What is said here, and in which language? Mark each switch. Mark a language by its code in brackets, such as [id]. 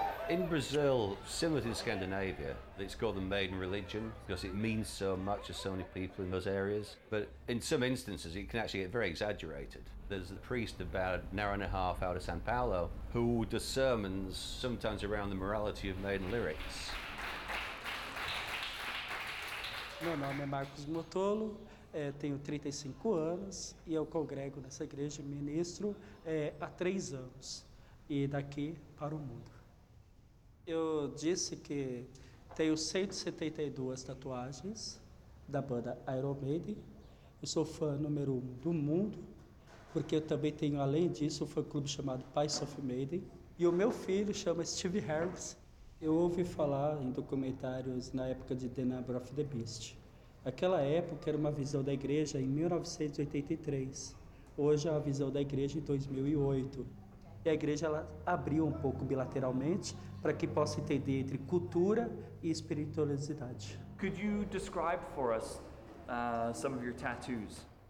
[en] In Brazil, similar to in Scandinavia, it's called the Maiden religion because it means so much to so many people in those areas. But in some instances, it can actually get very exaggerated. There's a priest about an hour and a half out of São Paulo who does sermons sometimes around the morality of Maiden lyrics. [pt] Meu nome é Marcos Motolo, tenho 35 anos e eu congrego nessa igreja ministro há 3 anos e daqui para o mundo. Eu disse que tenho 172 tatuagens da banda Iron Maiden. Eu sou fã número 1 do mundo, porque eu também tenho, além disso, um fã-clube chamado Pies of Maiden. E o meu filho chama Steve Harris. Eu ouvi falar em documentários na época de The Number of the Beast. Aquela época era uma visão da igreja em 1983. Hoje é uma visão da igreja em 2008. E a igreja ela abriu um pouco bilateralmente para que possa entender entre cultura e espiritualidade. [en] Could you describe for us some of your tattoos?